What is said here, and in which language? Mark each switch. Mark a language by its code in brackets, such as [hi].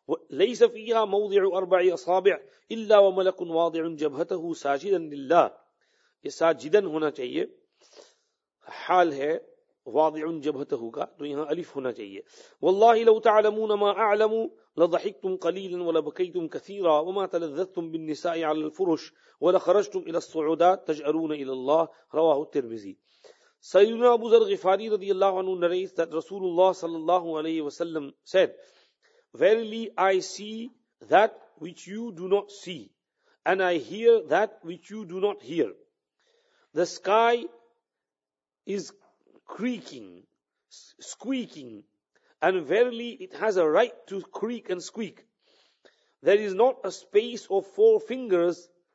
[ar] ليس فيها موضع أربع أصابع إلا وملك واضع جبهته ساجدا لله. [ur] یہ ساجدا ہونا چاہیے. حال ہے [ar] واضع جبهته [ur] کا تو یہاں الف ہونا چاہیے. [ar] والله لو تعلمون ما أعلم لضحكتم قليلا ولبكيتم كثيرا وما تلذذتم بالنساء على الفرش ولخرجتم إلى الصعودات تجأرون إلى الله. رواه الترمذي. [en] سيدنا أبو ذر غفاري رضي الله عنه narrates that رسول الله صلى الله عليه وسلم said, verily I see that which you do not see, and I hear that which you do not hear. The sky is creaking, squeaking, and verily it has a right to creak and squeak. There is not a space of 4 fingers,